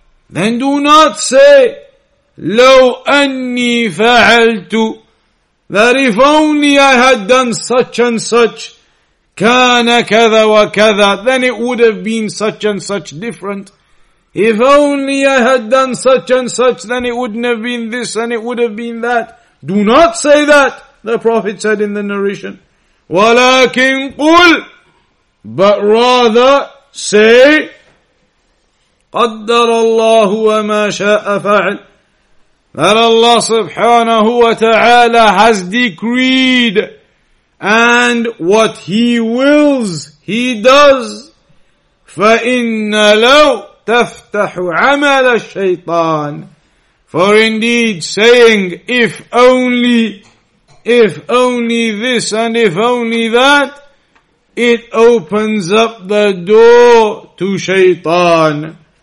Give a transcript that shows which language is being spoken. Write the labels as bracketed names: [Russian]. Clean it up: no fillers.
[English] Then do not say, [Arabic] لو أني فعلت, [English] that if only I had done such and such, [Arabic] كان كذا وكذا, [English] then it would have been such and such different. If only I had done such and such, then it wouldn't have been this and it would have been that. Do not say that, the Prophet said in the narration. [Arabic] ولكن قل, [English] but rather say, [Arabic] قدر الله وما شاء فعل. [English] That Allah subhanahu wa ta'ala has decreed, and what He wills, He does. [Arabic] فَإِنَّ لَوْ تَفْتَحُ عَمَلَ الشَّيْطَانِ. [English] For indeed saying, if only this and if only that, it opens up the door to shaitan.